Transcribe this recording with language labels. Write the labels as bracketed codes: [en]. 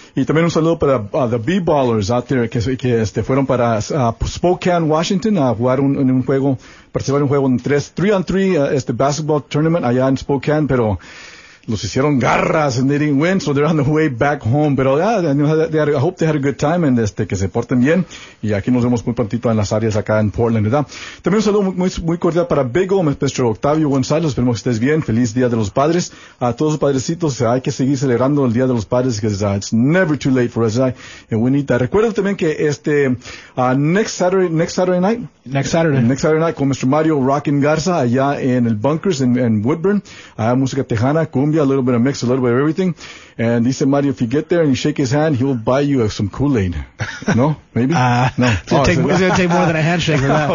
[es] Y también un saludo para [en] the B-Ballers out there [es] que fueron para Spokane, Washington, a jugar un juego, participar en un juego en [en] 3-on-3 basketball tournament [es] allá en Spokane, pero los hicieron garras [en] and they didn't win, so they're on the way back home. [es] Pero [en] I hope they had a good time and [es] que se porten bien. Y aquí nos vemos muy prontito en las áreas acá en Portland, ¿verdad? También un saludo muy, muy cordial para Bigo, nuestro Octavio Gonzalo. Esperemos que estés bien. Feliz Día de los Padres. A todos los padrecitos, hay que seguir celebrando el Día de los Padres [en] because it's never too late for us. And we need that. [es] Recuerda también que [en] next Saturday night [es] con Mr. Mario Rockin' Garza allá en el Bunkers en Woodburn. Hay música tejana, cumbia. [en] cumbia, a little bit of mix, a little bit of everything. And [es] dice [en] Mario, if you get there and you shake his hand, he'll buy you some Kool-Aid. No? Maybe? No. It's going to take more than a handshake for that.